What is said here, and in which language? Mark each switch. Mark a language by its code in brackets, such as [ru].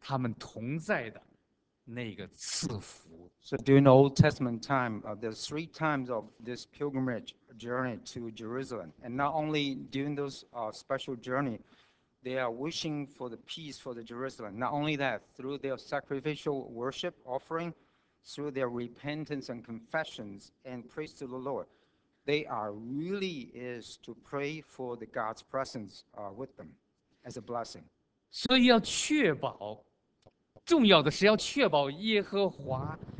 [zh] 所以对旧约时代的信徒而言，在每年三次朝圣的节期中间，他们期待的不单是圣城耶路撒冷的平安，而且更期待通过他们自己的献祭、认罪、悔改、赞美、颂扬上帝，而得到上帝与他们同在的那个赐福。 [en] So during the Old Testament time, there's 3 times of this pilgrimage journey to Jerusalem. And not only during those special journey, they are wishing for the peace for the Jerusalem. Not only that, through their sacrificial worship offering, through their repentance and confessions and praise to the Lord, they are really is to pray for the God's presence with them as a blessing. [zh] 所以要确保，重要的是要确保耶和华。